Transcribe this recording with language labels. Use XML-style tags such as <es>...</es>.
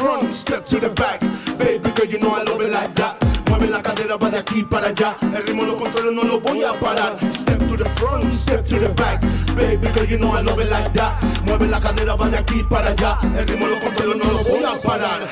<en>Step to the back, baby girl, you know I love it like that.</en> <es>Mueve la cadera pa' de aquí para allá. El ritmo lo controlo, no lo voy a parar.</es> <en>Step to the front, step to the back. Baby girl, you know I love it like that.</en> <es>Mueve la cadera pa' de aquí para allá. El ritmo lo controlo, no lo voy a parar.</es>